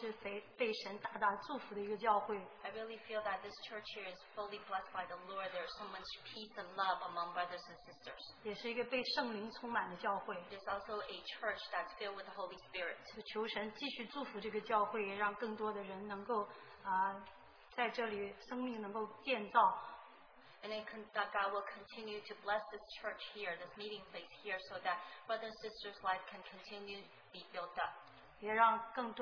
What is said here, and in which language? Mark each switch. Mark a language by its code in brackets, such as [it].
[zh] 我觉得很喜乐，因为我看到每一个弟兄姐妹那么平安喜乐，我觉得这个教会是被神大大祝福的一个教会。 [en] I really feel that this church here is fully blessed by the Lord. There is so much peace and love among brothers and sisters. [zh] 也是一个被圣灵充满的教会。 [en] It's also a church that's filled with the Holy Spirit. [zh] 求神继续祝福这个教会，让更多的人能够在这里生命能够建造。 [en] And that God will continue to bless this church here, this meeting place here, so that brothers and sisters' life can continue to be built up.